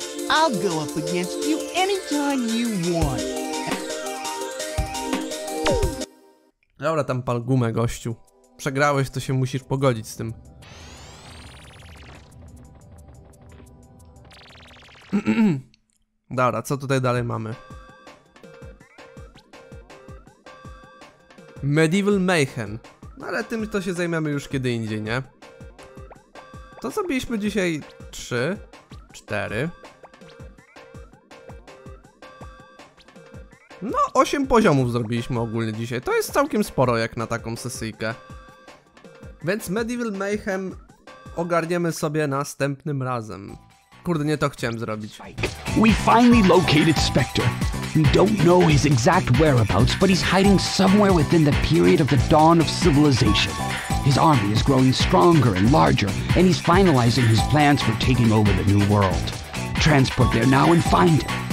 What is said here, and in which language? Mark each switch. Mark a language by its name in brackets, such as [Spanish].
[English] I'll go up against you anytime you want. [Polish] Dobra, tam pal gumę, gościu. Przegrałeś, to się musisz pogodzić z tym. Dobra, co tutaj dalej mamy? Medieval Mayhem. Ale tym to się zajmiemy już kiedy indziej, nie? To zrobiliśmy dzisiaj 3, 4. No, 8 poziomów zrobiliśmy ogólnie dzisiaj. To jest całkiem sporo jak na taką sesyjkę. Więc Medieval Mayhem ogarniemy sobie następnym razem. Kurde, nie to chciałem zrobić. [English] We finally located Spectre. We don't know his exact whereabouts, but he's hiding somewhere within the period of the dawn of civilization. His army is growing stronger and larger, and he's finalizing his plans for taking over the new world. Transport there now and find him.